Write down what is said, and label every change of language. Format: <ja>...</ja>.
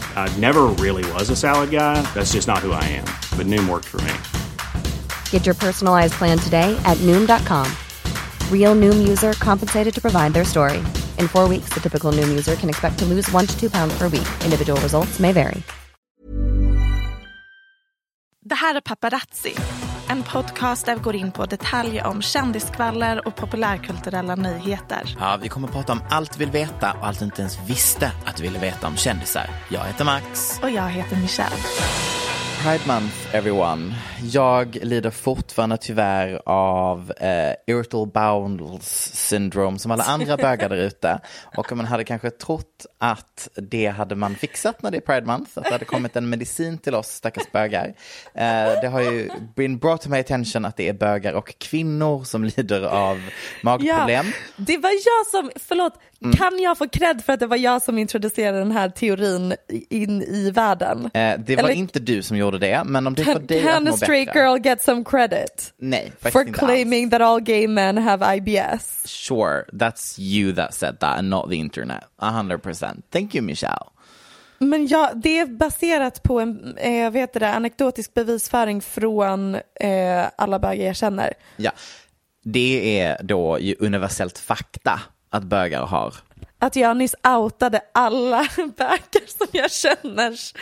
<en>I never really was a salad guy. That's just not who I am. But Noom worked for me. Get your personalized plan today at Noom.com. Real Noom user compensated to provide their story. In 4 weeks, the typical Noom user can expect to lose 1 to 2 pounds per week. Individual results may vary.</en> <sv>Det här är Paparazzi, en podcast där vi går in på detaljer om kändiskvaller och populärkulturella nyheter. Ja, vi kommer att prata om allt vi vill veta och allt vi inte ens visste att vi ville veta om kändisar. Jag heter Max. Och jag heter Michelle.</sv> <en>Pride month, everyone.</en> <sv>Jag lider fortfarande tyvärr av</sv> <en>irritable bowel syndrome</en> <sv>som alla andra bögar där ute. Och man hade kanske trott att det hade man fixat när det är Pride month, att det hade kommit en medicin till oss stackars bögar. Det har ju</sv> <en>been brought to my attention</en> <sv>att det är bögar och kvinnor som lider av magproblem. Ja, det var jag som, förlåt, kan jag få cred för att det var jag som introducerade den här teorin in i världen? Det var inte du som gjorde det, men om det får dig att må bättre.</sv> <en>Straight girl get some credit.</en> <sv>Nej,</sv> <en>for claiming that all gay men have IBS. Sure, that's you that said that and not the internet. 100%. Thank you, Michelle.</en> <sv>Men ja, det är baserat på en anekdotisk bevisföring från alla bögar jag känner. Ja. Det är då ju universellt fakta att bögar har. Att jag nyss outade alla bögar som jag känner.</sv>